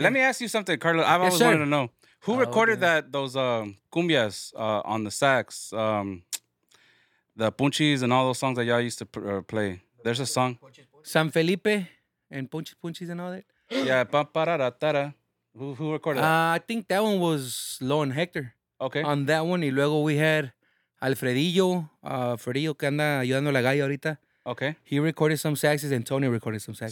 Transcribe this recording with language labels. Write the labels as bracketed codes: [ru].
[en] Let me ask you something, Carlos. I've always wanted to know. Who recorded those cumbias on the sax? The Punchies and all those songs that y'all used to play. There's a song. San Felipe and Punchies and all that. Yeah. Pa-pa-ra-ra-ta-ra. Who recorded that? I think that one was Lo and Hector. Okay. On that one. [es] Y luego [en] we had Alfredillo. [es] Alfredillo que anda ayudando a la galla ahorita. [en] Okay. He recorded some saxes and Tony recorded some saxes.